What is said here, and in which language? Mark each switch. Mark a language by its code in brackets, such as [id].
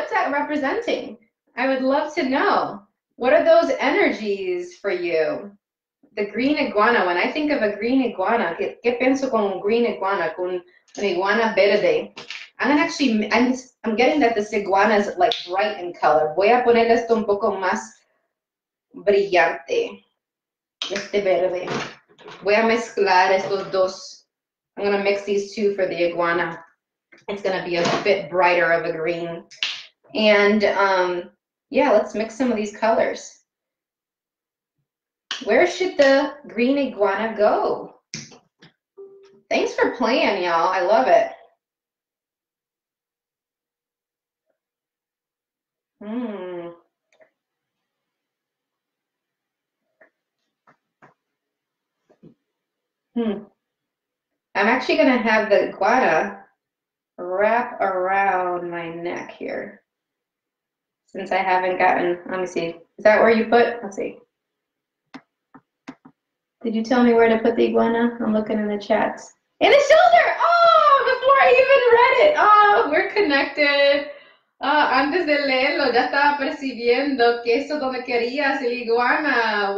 [en] What's that representing? I would love to know. What are those energies for you? The green iguana. When I think of a green iguana, [es] ¿qué pienso con un [en] green iguana? [es] Con an iguana verde. [en] I'm getting that this iguana is like bright in color. [es] Voy a poner esto un poco más brillante. Este verde. Voy a mezclar estos dos. [en] I'm gonna mix these two for the iguana. It's gonna be a bit brighter of a green. And yeah, let's mix some of these colors. Where should the green iguana go? Thanks for playing, y'all. I love it. I'm actually going to have the iguana wrap around my neck here since I haven't gotten. Let me see. Is that where you put? Let's see. Did you tell me where to put the iguana? I'm looking in the chat. In the shoulder! Oh, before I even read it. Oh, we're connected. [es] Antes de leerlo, ya estaba percibiendo que eso donde querías, el iguana.